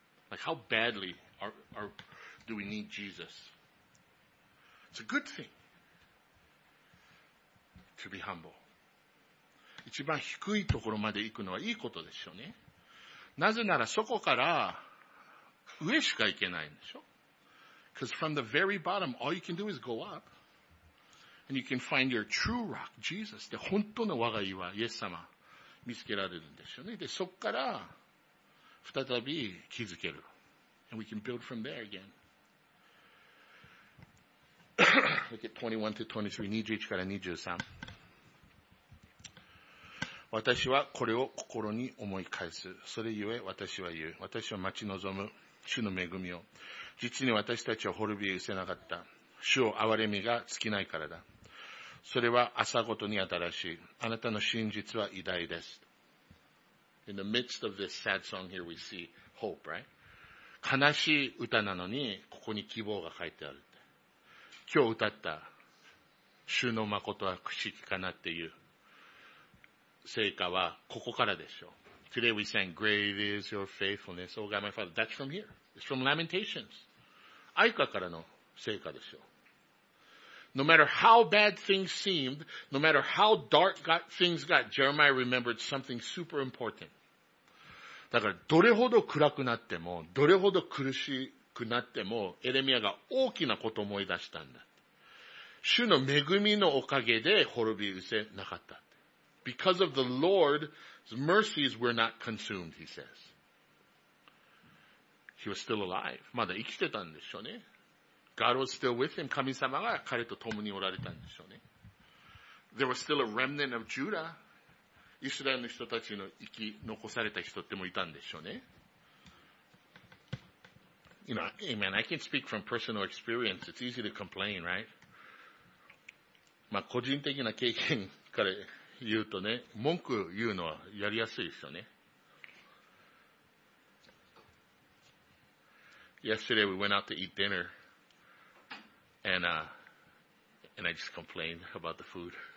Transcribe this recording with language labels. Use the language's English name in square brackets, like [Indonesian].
[English] Like, how badly do we need Jesus? It's a good thing to be humble. [Japanese] 一番低いところまで行くのはいいことでしょうね。なぜならそこから上しか行けないんでしょ。 [English] Because from the very bottom, all you can do is go up. And you can find your true rock, Jesus. [Japanese] で、本当の我が岩、イエス様、見つけられるんでしょうね。で、そこから再び気づける。 [English] And we can build from there again. Look at 21-23, 21-23. [Japanese] 私はこれを心に思い返す。それゆえ私は言う。私は待ち望む主の恵みを。実に私たちは滅びゆせなかった。主を憐れみが尽きないからだ。それは朝ごとに新しい。あなたの真実は偉大です。 [English] In the midst of this sad song here we see hope, right? [Japanese] 悲しい歌なのに、ここに希望が書いてある。今日歌った主の誠は朽ち木かなっていう成果はここからでしょう。 [English] Today we sang, Great is your faithfulness, O God my Father. That's from here. It's from Lamentations. [Japanese] 哀歌からの成果でしょう。 [English] No matter how bad things seemed, no matter how dark things got, Jeremiah remembered something super important. [Japanese] だからどれほど暗くなっても、どれほど苦しいくなってもエレミアが大きなことを思い出したんだ。主の恵みのおかげで滅び失せなかった。 [English] Because of the Lord's mercies, we're not consumed, he says. He was still alive. [Japanese] まだ生きてたんでしょうね。 [English] God was still with him. [Japanese] 神様が彼と共におられたんでしょうね。 [English] There was still a remnant of Judah. [Japanese] イスラエルの人たちの生き残された人ってもいたんでしょうね。 [English] You know, hey man, I can speak from personal experience. It's easy to complain, right? [Japanese] まあ個人的な経験から言うとね、文句言うのはやりやすいですよね。 [English] Yesterday we went out to eat dinner and I just complained about the food.